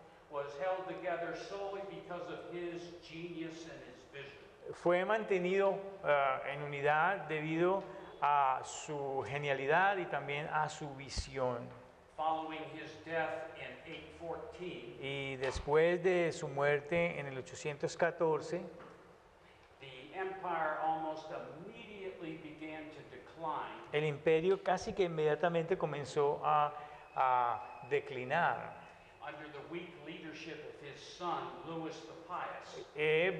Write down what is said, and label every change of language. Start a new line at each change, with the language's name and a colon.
English: was held together solely because of his genius and his vision.
Spanish: Fue mantenido en unidad debido a su genialidad y también a su visión.
English: Following his death in 814,
Spanish: y después de su muerte en el 814,
English: the empire almost immediately began to decline.
Spanish: El imperio casi que inmediatamente comenzó a declinar.
English: Under the weak leadership of his son, Louis the Pious.